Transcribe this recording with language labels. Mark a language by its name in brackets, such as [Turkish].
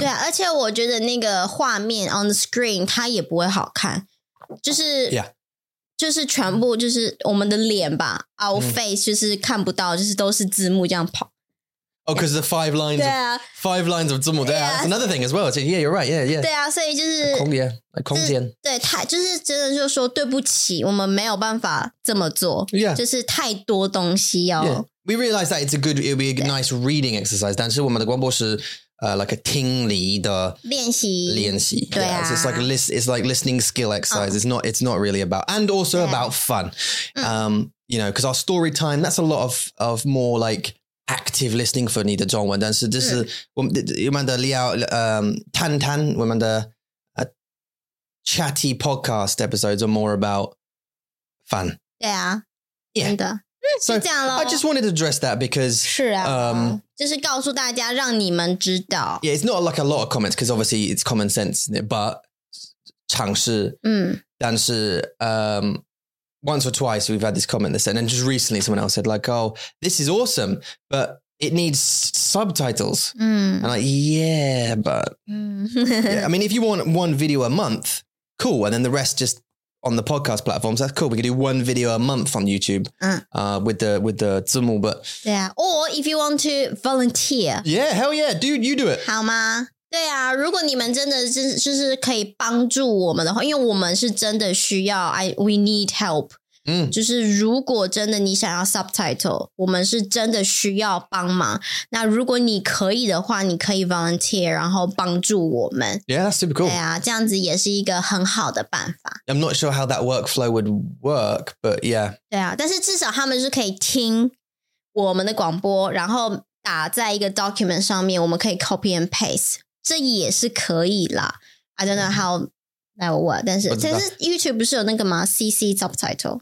[Chinese] 对啊，而且我觉得那个画面 [English] on the screen [Chinese] 它也不会好看，就是 [English] yeah， [Chinese] 就是全部就是我们的脸吧 [English] our face [Chinese] 就是看不到，就是都是字幕这样跑。 [English] Oh, because the five lines, five lines of 字幕 yeah, that's another thing as well. So, yeah, you're right, yeah, yeah. [Chinese] 对啊，所以就是空间，空间。对，太就是真的就说对不起，我们没有办法这么做。 [English] Yeah， [Chinese] 就是太多东西要。 [English] Yeah. We realize that it's a good, it'll be a nice reading exercise. [Chinese] 但是我们的广播是 [English] like a [Chinese] 听力的练习 [English] yeah, yeah. So it's like listening skill exercise. It's not really about, and also about fun. You know, because our story time, that's a lot of more like active listening for [Chinese] 你的中文。但是这是我们的聊谈我们的 [English] chatty podcast episodes are more about fun. Yeah. Yeah. [Chinese] 真的 [English] So, I just wanted to address that because... [Chinese] 是啊、就是告诉大家让你们知道。 [English] Yeah, it's not like a lot of comments because obviously it's common sense, but 尝试。但是 once or twice we've had this comment that said, and just recently someone else said like, oh, this is awesome, but it needs subtitles.、 Mm. And I'm like, yeah, but... yeah, I mean, if you want one video a month, cool, and then the rest just... on the podcast platforms, that's cool. We could do one video a month on YouTube with the 字幕, but... Yeah, or if you want to volunteer. Yeah, hell yeah, dude, you do it. [Chinese] 好吗?对啊,如果你们真的就是可以帮助我们的话,因为我们是真的需要, [English] we need help. [Chinese] 就是如果真的你想要 subtitle, 我们是真的需要帮忙。那如果你可以的话,你可以 volunteer, 然后帮助我们。 [English] Yeah, that's super cool. [Chinese] 对啊,这样子也是一个很好的办法。 [English] I'm not sure how that workflow would work, but yeah. [Chinese] 对啊,但是至少他们是可以听我们的广播,然后打在一个 document 上面,我们可以 [English] copy and paste。 [Chinese] 这也是可以啦。 [English] I don't know how [Chinese] YouTube不是有那个吗?CC subtitle.